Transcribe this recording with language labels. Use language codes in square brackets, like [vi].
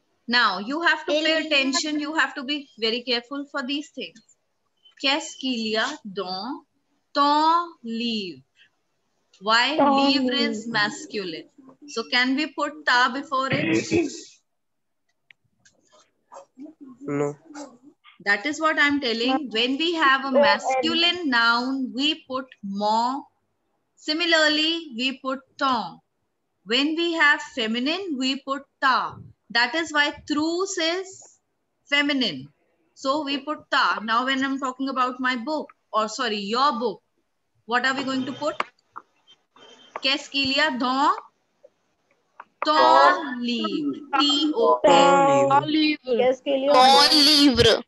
[en] Now, you have to pay attention. You have to be very careful for these things. [fr] Qu'est-ce qu'il y a dans ton livre? [en] Why ton livre is masculine? So can we put ta before it? No. That is what I'm telling. When we have a masculine noun, we put mo. Similarly, we put ton. When we have feminine, we put ta. That is why trousse is feminine. So we put ta. Now when I'm talking about my book, or sorry, your book, what are we going to put? [fr] Qu'est-ce qu'il y a dans ton livre?